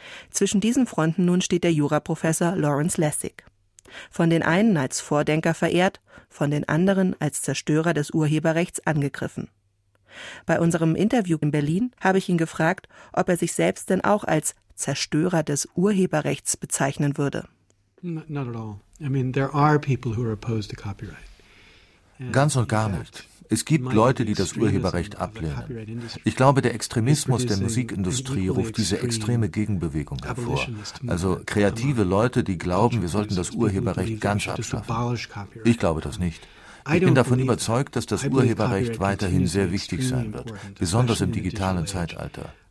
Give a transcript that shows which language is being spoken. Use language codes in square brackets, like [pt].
[de] Zwischen diesen Fronten nun steht der Juraprofessor Lawrence Lessig. Von den einen als Vordenker verehrt, von den anderen als Zerstörer des Urheberrechts angegriffen. Bei unserem Interview in Berlin habe ich ihn gefragt, ob er sich selbst denn auch als Zerstörer des Urheberrechts bezeichnen würde. [en] Not at all. I mean, there are people who are opposed to copyright. [de] Ganz und gar nicht. Es gibt Leute, die das Urheberrecht ablehnen. Ich glaube, der Extremismus der Musikindustrie ruft diese extreme Gegenbewegung hervor. Also kreative Leute, die glauben, wir sollten das Urheberrecht ganz abschaffen. Ich glaube das nicht. Ich bin davon überzeugt, dass das Urheberrecht weiterhin sehr wichtig sein wird, besonders im digitalen Zeitalter.